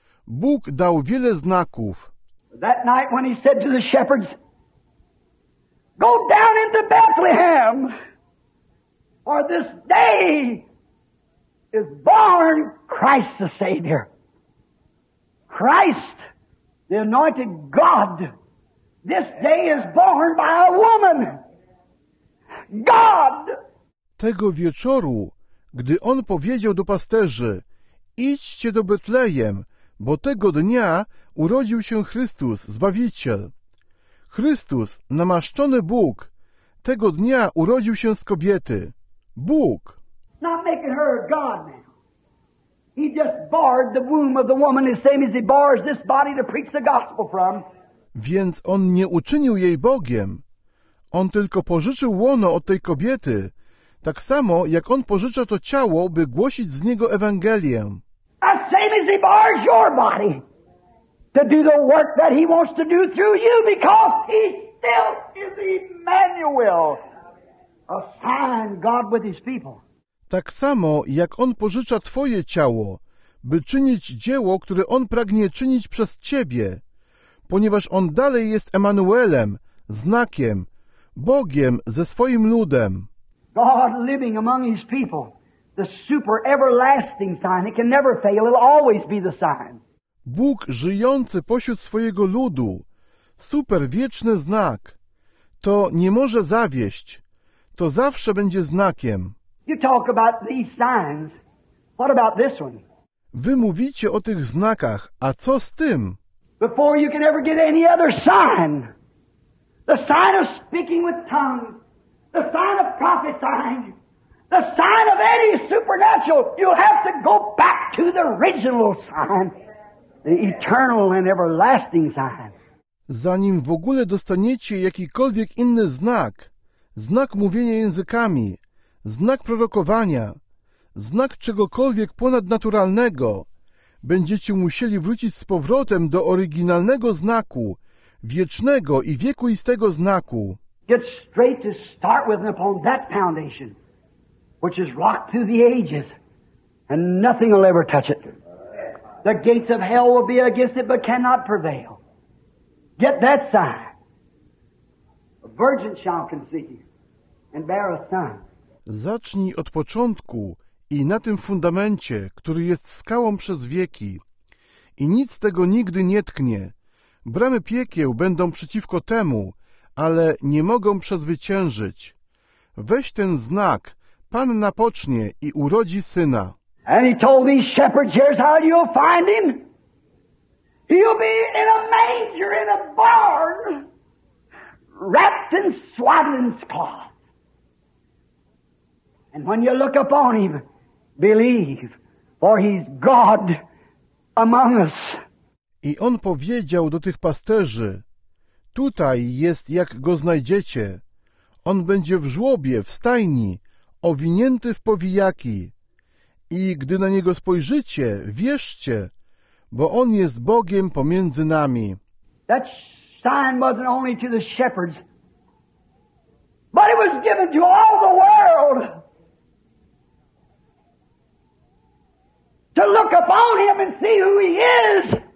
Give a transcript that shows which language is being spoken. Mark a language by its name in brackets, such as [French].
[Polish] Bóg dał wiele znaków. [English] That night when he said to the shepherds, go down into Bethlehem, for this day is born Christ the Savior. Christ, the anointed God, this day is born by a woman. God! [Polish] Tego wieczoru, gdy on powiedział do pasterzy, idźcie do Betlejem, bo tego dnia urodził się Chrystus, Zbawiciel. Chrystus, namaszczony Bóg, tego dnia urodził się z kobiety. Bóg! [English] Not making her a God now. He just barred the womb of the woman the same as he bars this body to preach the gospel from. [Polish] Więc on nie uczynił jej Bogiem. On tylko pożyczył łono od tej kobiety, tak samo jak on pożycza to ciało, by głosić z niego Ewangelię. [English] The same as he bars your body to do the work that he wants to do through you, because he still is Emmanuel, a sign God with his people. [Polish] Tak samo, jak On pożycza Twoje ciało, by czynić dzieło, które On pragnie czynić przez Ciebie, ponieważ On dalej jest Emanuelem, znakiem, Bogiem ze swoim ludem. [English] God living among His people, the super everlasting sign, it can never fail, it'll always be the sign. [Polish] Bóg żyjący pośród swojego ludu, super wieczny znak, to nie może zawieść, to zawsze będzie znakiem. [English] You talk about these signs. What about this one? [Polish] Wy mówicie o tych znakach, a co z tym? [English] Before you can ever get any other sign, the sign of speaking with tongues, the sign of prophesying, the sign of any supernatural, you have to go back to the original sign, the eternal and everlasting sign. [Polish] Zanim w ogóle dostaniecie jakikolwiek inny znak, znak mówienia językami, znak prorokowania, znak czegokolwiek ponadnaturalnego, będziecie musieli wrócić z powrotem do oryginalnego znaku, wiecznego i wiekuistego znaku. [English] Get straight to start with and upon that foundation, which is rocked through the ages, and nothing will ever touch it. The gates of hell will be against it, but cannot prevail. Get that sign. A virgin shall conceive and bear a son. [Polish] Zacznij od początku i na tym fundamencie, który jest skałą przez wieki. I nic tego nigdy nie tknie. Bramy piekieł będą przeciwko temu, ale nie mogą przezwyciężyć. Weź ten znak, Pan napocznie i urodzi syna. [English] And he told these shepherds, here's how you'll find him. He'll be in a manger in a barn, wrapped in swaddling's cloth. And when you look upon him, believe, for he's God among us. [Polish] I on powiedział do tych pasterzy, tutaj jest jak go znajdziecie. On będzie w żłobie, w stajni, owinięty w powijaki. I gdy na niego spojrzycie, wierzcie, bo on jest Bogiem pomiędzy nami. [English] That sign wasn't only to the shepherds, but it was given to all the world. To look upon him and see who he is.